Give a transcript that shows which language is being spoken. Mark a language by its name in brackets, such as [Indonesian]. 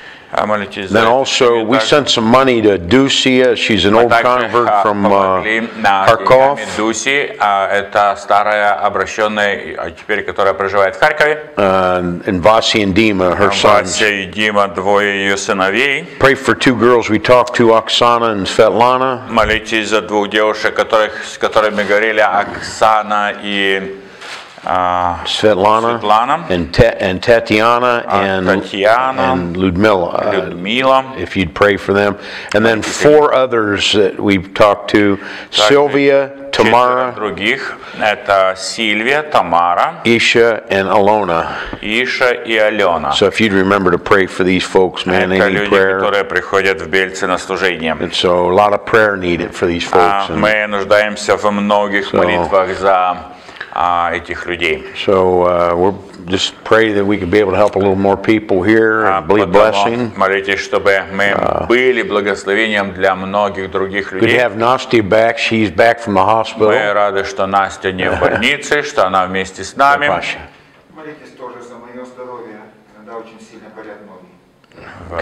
[English] Then also we sent some money to Dusia. She's an old convert from Kharkov. [Russian] Это старая обращенная, теперь которая проживает в Харькове. [English] And Vasi and Dima, her sons. [Russian] Vasi и Дима, двое ее сыновей. [English] Pray for two girls we talked to, Оксана and Светлана. [Russian] Молитесь за двух девушек, с которыми говорили, Оксана и [English] Светлана and Татьяна and Людмила. If you'd pray for them, and then four others that we've talked to: Sylvia, Tamara, [Russian] других. Это Сильвия, Тамара, [English] Isha and Alona. [Russian] Isha и Алена. [English] So if you'd remember to pray for these folks, man, they need [Russian] люди, [English] prayer. [Russian] Которые приходят в Бельце на служение. [English] And so a lot of prayer needed for these folks. [Russian] Мы нуждаемся во многих молитвах за этих людей. [English] So we're just pray that we could be able to help a little more people here. Believe blessing. [Russian] Молитесь, чтобы мы были благословением для многих других людей. [English] Could have Nastya back. She's back from the hospital. [Russian] Мы рады, что Настя не в больнице, что она вместе с нами. Молитесь тоже за мое здоровье. Иногда очень сильно болят ноги.